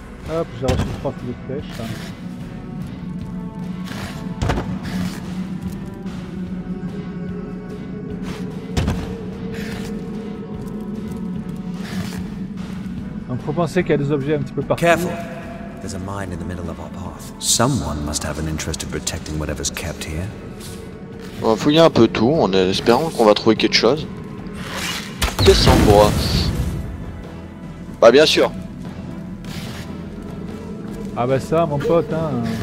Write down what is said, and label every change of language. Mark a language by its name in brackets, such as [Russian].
[French] Hop, j'ai reçu 3 coups de flèche. Hein. Donc faut penser qu'il y a des objets un petit peu partout. [English] Careful. There's a mine in the middle of our path. Someone must have an interest in protecting whatever's kept here. [French] On va fouiller un peu tout en espérant qu'on va trouver quelque chose. Qu'est-ce qu'on voit ? Bah bien sûr. Ah bah ça, mon pote, hein.